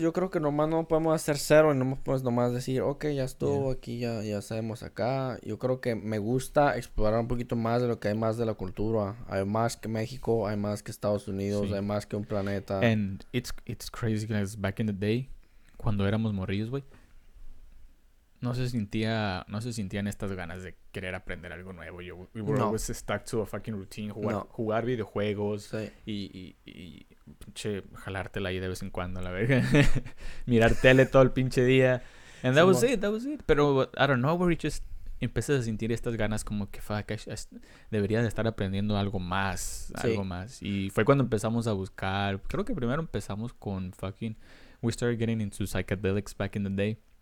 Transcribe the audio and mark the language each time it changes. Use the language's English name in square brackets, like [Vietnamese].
[Spanish] Yo creo que nomás no podemos hacer cero y no podemos nomás decir, okay, ya estuvo aquí, ya sabemos acá. Yo creo que me gusta explorar un poquito más de lo que hay más de la cultura. Hay más que México, hay más que Estados Unidos, sí. Hay más que un planeta. [English] And it's crazy, because back in the day, [Spanish] cuando éramos morrillos, güey, no se sentían estas ganas de querer aprender algo nuevo. [English] We were always stuck to a fucking routine, [Spanish] jugar videojuegos, sí. y pinche jalártela ahí de vez en cuando, la verga. Mirar tele todo el pinche día. [English] And that was it. [Spanish] Pero [English] I don't know, where you just [Spanish] empecé a sentir estas ganas como que fuck, debería de estar aprendiendo algo más, Y fue cuando empezamos a buscar, creo que primero empezamos con [English] we started getting into psychedelics back in the day.